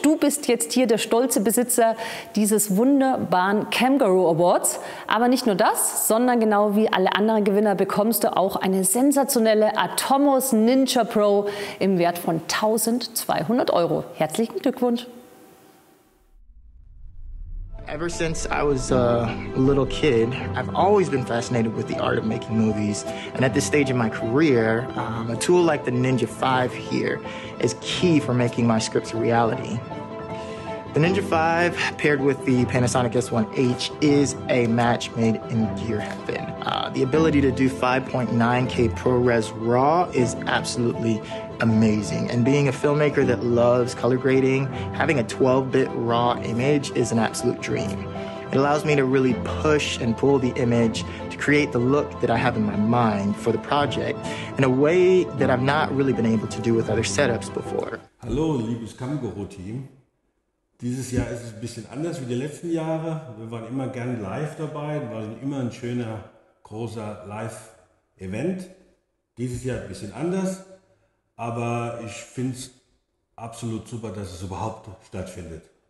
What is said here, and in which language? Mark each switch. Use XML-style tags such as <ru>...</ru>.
<de>Du bist jetzt hier der stolze Besitzer dieses wunderbaren Kangaroo Awards. Aber nicht nur das, sondern genau wie alle anderen Gewinner bekommst du auch eine sensationelle Atomos Ninja Pro im Wert von 1200 Euro. Herzlichen Glückwunsch.</de> <en>Ever since I was a little kid, I've always been fascinated with the art of making movies. And at this stage in my career, a tool like the Ninja 5 here is key for making my scripts a reality. The Ninja 5 paired with the Panasonic S1H is a match made in gear heaven. The ability to do 5.9K ProRes RAW is absolutely amazing. And being a filmmaker that loves color grading, having a 12-bit RAW image is an absolute dream. It allows me to really push and pull the image to create the look that I have in my mind for the project in a way that I've not really been able to do with other setups before.</en> <de>Hallo, liebes Kangaroo-Team. Dieses Jahr ist es ein bisschen anders wie die letzten Jahre. Wir waren immer gern live dabei. Es war immer ein schöner, großer Live-Event. Dieses Jahr ein bisschen anders. Aber ich finde es absolut super, dass es überhaupt stattfindet.</de>